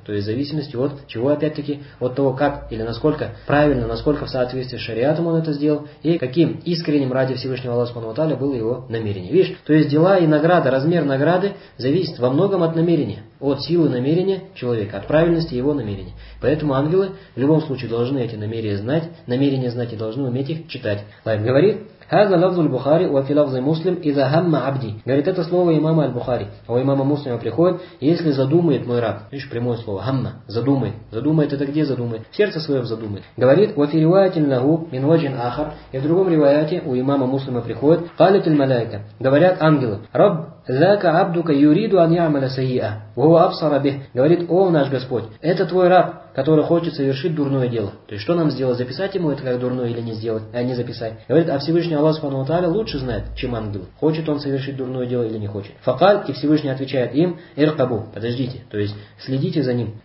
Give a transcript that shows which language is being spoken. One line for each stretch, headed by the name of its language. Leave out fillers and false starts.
Russian: То есть в зависимости от чего, опять-таки, от того, как или насколько правильно, насколько в соответствии с шариатом он это сделал, и каким искренним ради Всевышнего Аллаха Субхану ва Тааля было его намерение. Видишь, то есть дела и награда, размер награды зависит во многом от намерения, от силы намерения человека, от правильности его намерения. Поэтому ангелы в любом случае должны эти намерения знать и должны уметь их читать. Лайм говорит...
Arabic: هذا لفظ البخاري وفي لفظ مسلم إذا هم عبدي.
Russian: Говорит, это слово имама аль-Бухари. А у имама Муслима приходит, если задумает мой раб. Видишь, прямое слово. Хамма. Задумает. Задумает это где задумает? В сердце своем задумает. Говорит,
Arabic: وفي رواية له من وجه آخر.
Russian: И в другом ревайате у имама Муслима приходит,
Arabic: قالت الملائكة.
Russian: Говорят ангелы. Раб.
Arabic: ذاك عبدك يريد أن يعمل سيئة وهو أبصر به.
Russian: Говорит, о наш Господь, это твой раб, который хочет совершить дурное дело. То есть что нам сделать? Записать ему это как дурное или не сделать? А не записать. Говорит, а Всевышний Аллах Субхану ва Тааля лучше знает, чем ангел. Хочет он совершить дурное дело или не хочет. Факаль, и Всевышний отвечает им, иркабу, подождите, то есть следите за ним.